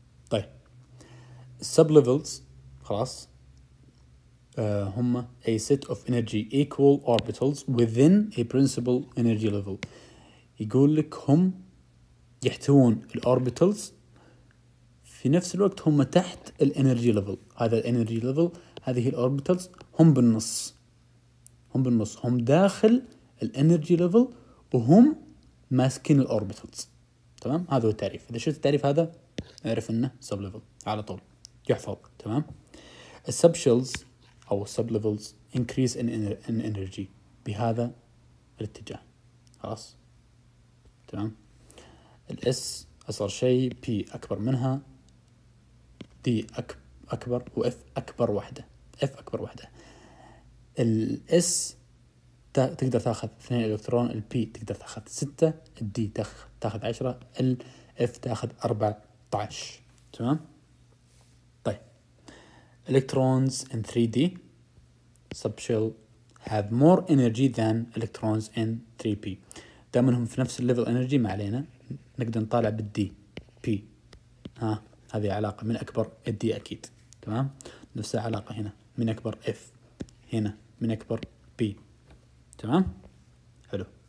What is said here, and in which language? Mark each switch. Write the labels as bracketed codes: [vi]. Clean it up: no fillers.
[ar] طيب السب ليفلز، خلاص هم [en] a set of energy equal orbitals within a principal energy level. [ar] يقول لك هم يحتوون الاوربيتلز في نفس الوقت هم تحت الانرجي ليفل، هذا الانرجي ليفل، هذه الاوربيتلز، هم بالنص، هم بالنص، هم داخل الانرجي ليفل وهم ماسكين الاوربيتلز. تمام. هذا هو التعريف. اذا شفت التعريف هذا اعرف انه سب ليفل على طول، يحفظ. تمام. السب شيلز او السب ليفلز انكريز ان انرجي بهذا الاتجاه، خلاص. تمام. الاس اصغر شيء، بي اكبر منها، دي اكبر، واف اكبر وحده، اف اكبر وحده. الاس تقدر تاخذ 2 الكترون، البي تقدر تاخذ 6، الدي تاخذ 10، الاف تاخذ 14. تمام. [en] Electrons in 3D subshell have more energy than electrons in 3P. [ar] دامنهم في نفس الليفل انرجي ما علينا، نقدر نطالع بالدي بي. ها هذه علاقة من أكبر الدي أكيد. تمام. نفس العلاقة هنا من أكبر اف، هنا من أكبر بي. تمام. حلو.